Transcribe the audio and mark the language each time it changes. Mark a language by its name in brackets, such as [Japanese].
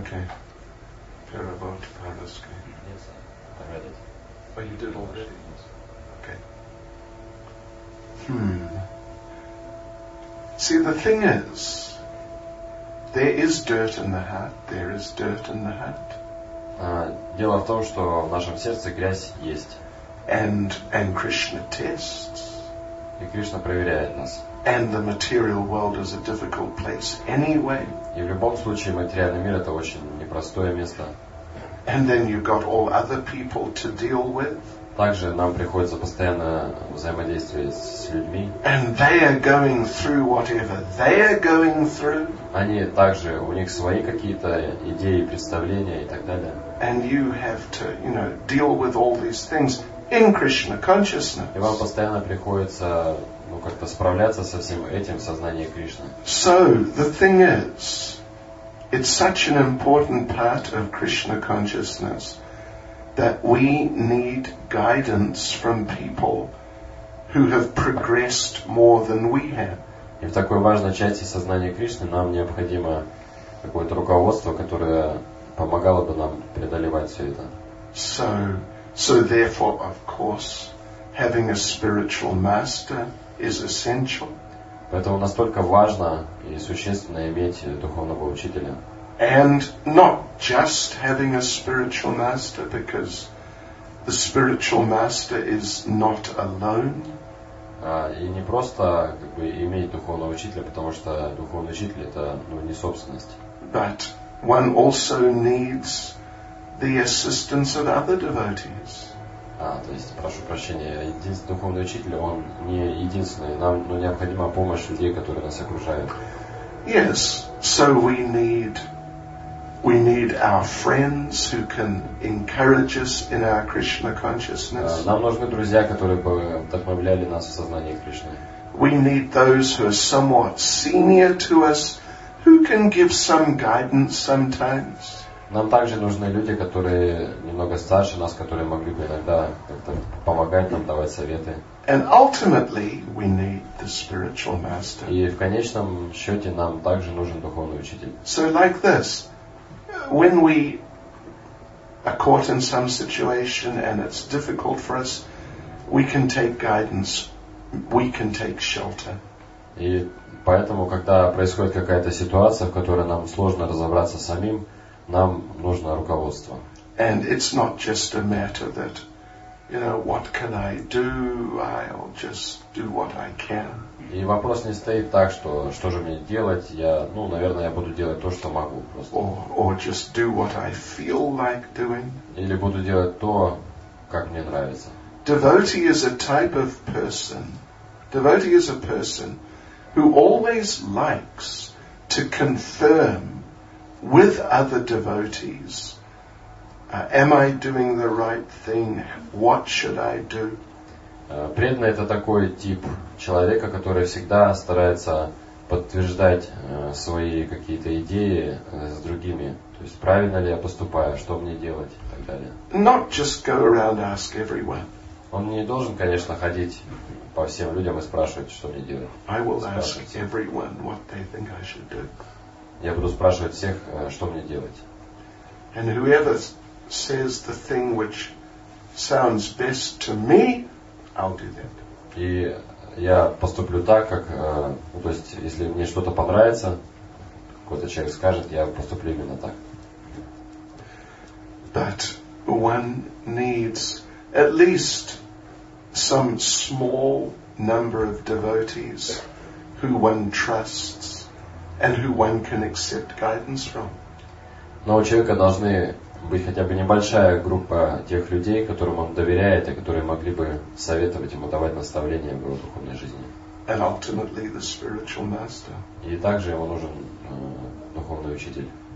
[English] Okay. Parabot Paraske. Yes, I read it. Oh, you did already? Yes. Okay. See, the thing is, there is dirt in the heart, there is dirt in the heart. [Russian] Дело в том, что в нашем сердце грязь есть. [English] And Krishna tests. [Russian] И Кришна проверяет нас. [English] And the material world is a difficult place anyway. [Russian] И в любом случае материальный мир это очень непростое место. [English] And then you've got all other people to deal with. [Russian] Также нам приходится постоянно взаимодействовать с людьми. [English] And they are going through whatever they are going through. [Russian] Они также у них свои какие-то идеи, представления и так далее. [English] And you have to, you know, deal with all these things. In Krishna consciousness. [Russian] И вам постоянно приходится, ну, как-то справляться со всем этим в сознании Кришны. [English] So the thing is, it's such an important part of Krishna consciousness that we need guidance from people who have progressed more than we have. [Russian] И в такой важной части сознания Кришны нам необходимо какое-то руководство, которое помогало бы нам преодолевать все это. [English] So therefore, of course, having a spiritual master is essential. [Russian] Поэтому настолько важно и существенно иметь духовного учителя. [English] And not just having a spiritual master, because the spiritual master is not alone. [Russian] И не просто как бы иметь духовного учителя, потому что духовный учитель это, ну, не собственность. [English] But one also needs the assistance of other devotees. [Russian] То есть, прошу прощения, единственный духовный учитель, он не единственный. Нам, ну, необходима помощь людей, которые нас окружают. [English] Yes, so we need our friends who can encourage us in our Krishna consciousness. [Russian] Нам нужны друзья, которые бы вдохновляли нас в сознании Кришны. [English] We need those who are somewhat senior to us, who can give some guidance sometimes. [Russian] Нам также нужны люди, которые немного старше нас, которые могли бы иногда как-то помогать нам, давать советы. [English] And ultimately we need the spiritual master. [Russian] И в конечном счете нам также нужен духовный учитель. [English] So like this, when we are caught in some situation and it's difficult for us, we can take guidance, we can take shelter. [Russian] И поэтому, когда происходит какая-то ситуация, в которой нам сложно разобраться самим, нам нужно руководство. [English] And it's not just a matter that, you know, what can I do? I'll just do what I can. [Russian] И вопрос не стоит так, что что же мне делать? Я, ну, наверное, я буду делать то, что могу просто. [English] Or just do what I feel like doing. [Russian] Или буду делать то, как мне нравится. [English] Devotee is a type of person. Devotee is a person who always likes to confirm with other devotees. Am I doing the right thing? What should I do? [Russian] Преданный — это такой тип человека, который всегда старается подтверждать свои какие-то идеи с другими. То есть правильно ли я поступаю, что мне делать и так далее. [English] Not just go around and ask everyone. [Russian] Он не должен, конечно, ходить по всем людям и спрашивать, что мне делать. [English] I will ask everyone what they think I should do. [Russian] Я буду спрашивать всех, что мне делать. [English] And whoever says the thing which sounds best to me, I'll do that. [Russian] И я поступлю так, как, то есть, если мне что-то понравится, какой-то человек скажет, я поступлю именно так. [English] But one needs at least some small number of devotees who one trusts and who one can accept guidance from. [Russian] Но у человека должны быть хотя бы небольшая группа тех людей, которым он доверяет, и которые могли бы советовать ему, давать наставления в его духовной жизни. [English] And ultimately the spiritual master. [Russian] И также ему нужен духовный учитель.